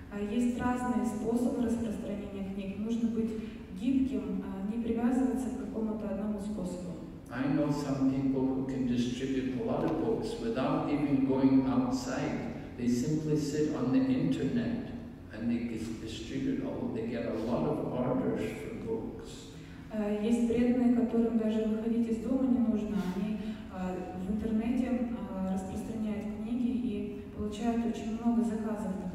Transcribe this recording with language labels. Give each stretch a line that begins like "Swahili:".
Russian: Есть разные способы распространения книг. Нужно быть гибким, не привязываться к какому-то одному способу.
English: I know some people who can distribute a lot of books without even going outside. They simply sit on the internet and they distribute all. They get a lot of orders for books.
Russian: Есть преданные, которым даже выходить из дома не нужно. Они в интернете распространяют книги и получают очень много заказов.